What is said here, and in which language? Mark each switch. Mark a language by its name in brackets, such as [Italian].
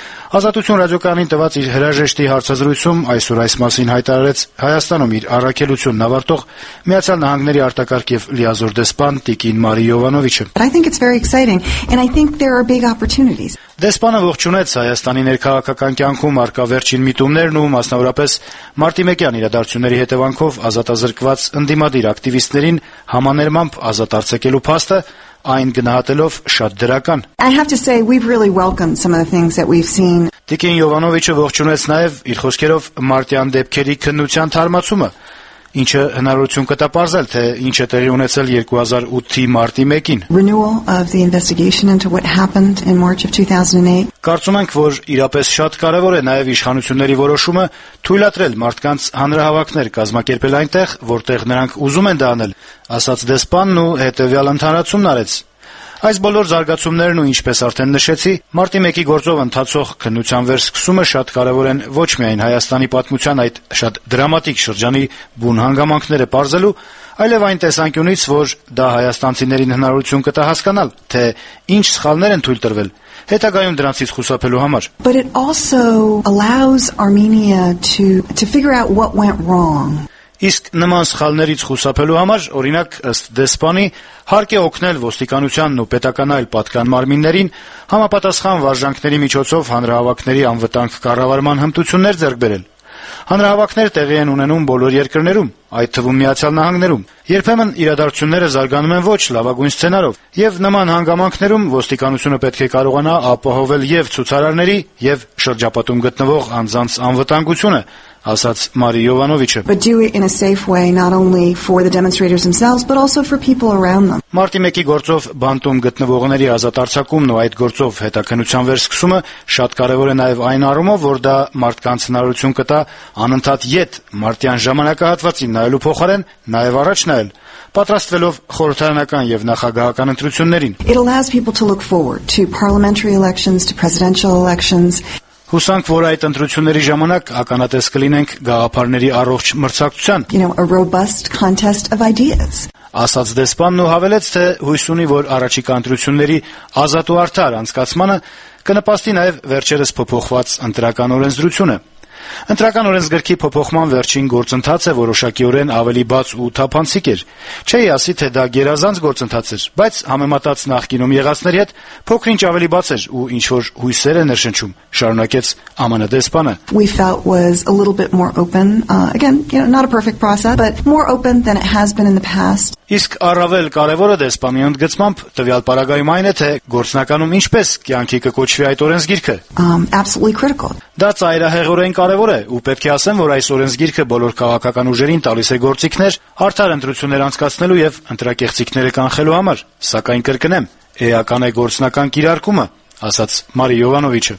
[Armenian] Ազատություն ռադիոկայանին տված իր հրաժեշտի հարցազրույցում այսօր այս մասին հայտարարեց Հայաստանում իր առաքելությունն ավարտող Միացյալ Նահանգների արտակարգ եւ լիազոր դեսպան Տիկին Մարի Յովանովիչը։ Դեսպանը ողջունեց Հայաստանի ներքաղաքական կյանքում առկա վերջին միտումներն ու մասնավորապես Մարտի 1-յան իրադարձությունների հետևանքով ազատազրկված ընդդիմադիր ակտիվիստերին համաներմամբ ազատ արձակելու փաստը, այն գնահատելով շատ դրական։ [English] I have to say we've really welcomed some of the things that we've seen։ [Armenian] Տիկին Յովանովիչը ողջունեց նաև իր խոսքերով մարտյան դեպքերի քննության թարմացումը, ինչը հնարություն կտա պարզել, թե ինչ է տեղի ունեցել 2008-ի մարտի 1-ին։ [English] Renewal of the investigation into what happened in March of 2008։ [Armenian] Կարծում ենք, որ իրապես շատ կարևոր է նաև իշխանությունների որոշումը թույլատրել մարդկանց հանրահավաքներ կազմակերպել այնտեղ, որտեղ նրանք ուզում են դանել, ասաց դեսպանն ու հետևյալ ընդհանրացումն արեց։ Այս բոլոր զարգացումներն ու ինչպես արդեն նշեցի, մարտի 1-ի գործով ընթացող քննության վերսկսումը շատ կարևոր են ոչ միայն Հայաստանի պատմության այդ շատ դրամատիկ շրջանի բուն հանգամանքները պարզելու, այլև այն տեսանկյունից, որ դա հայաստանցիներին հնարություն կտա հասկանալ, թե ինչ սխալներ են թույլ տրվել հետագայում դրանցից խուսափելու համար։ [English] But it also allows Armenia to figure out what went wrong։ [Armenian] Իսկ նման սխալներից խուսափելու համար, օրինակ, ըստ դեսպանի, հարկ է օգնել ոստիկանությանն ու պետականային պատկան մարմիններին համապատասխան վարժանքների միջոցով հանրահավաքների անվտանգ կառավարման հմտություններ ձեռք բերել։ Հանրահավաքներ տեղի են ունենում բոլոր երկրներում, այդ թվում Միացյալ Նահանգներում։ Երբեմն իրադարձությունները զարգանում են ոչ լավագույն սցենարով, եւ նման հանգամանքներում ոստիկանությունը պետք է կարողանա ապահովել եւ ցուցարարների, եւ շրջապատում գտնվող անձանց անվտանգությունը, ասաց Մարի Յովանովիչը։ [English] But do it in a safe way not only for the demonstrators themselves but also for people around them։ [Armenian] Մարտի 1-ի գործով բանտում գտնվողների ազատ արձակումն ու այդ գործով հետաքնության վերսկսումը շատ կարևոր է նաև այն առումով, որ դա մարդկանց հնարություն կտա անընդհատ ետ մարտյան ժամանակահատվածին նայելու փոխարեն նաև առաջ նայել, պատրաստվելով խորհրդարանական եւ նախագահական ընտրություններին։ [English] It allows people to look forward to parliamentary elections, to presidential elections։ [Armenian] Հուսանք, որ այդ ընտրությունների ժամանակ ականատես կլինենք գաղափարների առողջ մրցակցության, ասաց դեսպանն ու հավելեց, թե հույս ունի, որ առաջիկա ընտրությունների ազատ ու արդար անցկացմանը կնպաստի նաև վերջերս փոփոխված ընտրական օրենսդրությունը։ Ընտրական օրենսգրքի փոփոխման վերջին գործընթացը որոշակիորեն ավելի բաց ու թափանցիկ էր։ Չէի ասի, թե դա գերազանց գործընթաց էր, բայց համեմատած նախկինում եղածների հետ փոքրինչ ավելի բաց էր ու ինչ որ հույսեր է ներշնչում, շարունակեց ԱՄՆ դեսպանը։ [English] We felt was a little bit more open. Again, you know, not a perfect process, but more open than it has been in the past. [Armenian] Իսկ առավել կարևորը դեսպանի ընդգծմամբ տվյալ պարագայում այն է, թե գործնականում ինչպես կյանքի կկոչվի այդ օրենսգիրքը։ [English] Absolutely critical. [Armenian] Դա ծայրահեղորեն կարևոր է, ու պետք է ասեմ, որ այս օրենսգիրքը բոլոր քաղաքական ուժերին տալիս է գործիքներ արդար ընտրություններ անցկացնելու եւ ընտրակեղծիքները կանխելու համար, սակայն կրկնեմ, էական է գործնական կիրարկումը, ասաց Մարի Յովանովիչը։